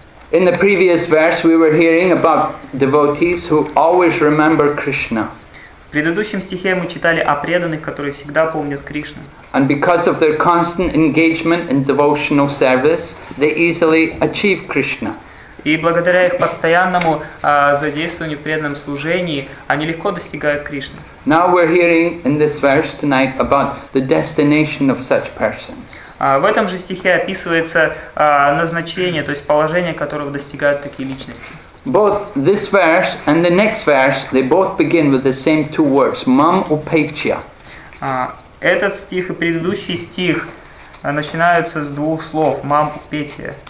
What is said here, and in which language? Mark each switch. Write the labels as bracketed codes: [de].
[en] In the previous verse we were hearing about devotees who always remember Krishna. [ru] В предыдущем стихе мы читали о преданных, которые всегда помнят Кришну. [en] And because of their constant engagement in devotional service, they easily achieve Krishna. [ru] И благодаря их постоянному задействованию в преданном служении, они легко достигают Кришны. [en] Now we're hearing in this verse tonight about the destination of such persons. [ru] В этом же стихе описывается назначение, то есть положение, которого достигают такие личности. [en] Both this verse and the next verse, they both begin with the same two words, mam upecha. [ru] Этот стих и предыдущий стих начинаются с двух слов, mam upecha.